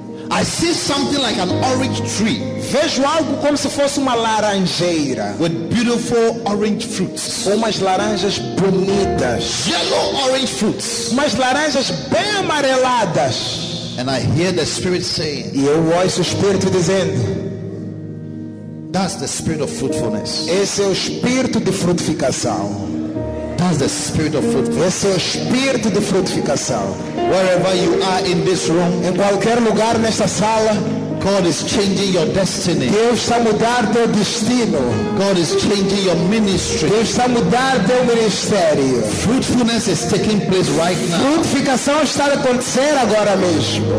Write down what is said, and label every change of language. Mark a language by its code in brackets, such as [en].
[en] I see something like an orange tree. [pt] Vejo algo como se fosse uma laranjeira. [en] With beautiful orange fruits. [pt] Umas laranjas bonitas. [en] Yellow orange fruits. [pt] Umas laranjas bem amareladas. [en] And I hear the Spirit saying. [pt] E eu ouço o Espírito dizendo. [en] That's the spirit of fruitfulness. [pt] Esse é o espírito de frutificação. [en] That's the spirit of fruitfulness. [pt] Esse é o espírito de frutificação. [en] Wherever you are in this room, [pt] em qualquer lugar nesta sala, [en] God is changing your destiny. [pt] Deus está mudando teu destino. [en] God is changing your ministry. [pt] Deus está mudando teu ministério. [en] Fruitfulness is taking place right now. [pt] Frutificação está acontecendo agora mesmo.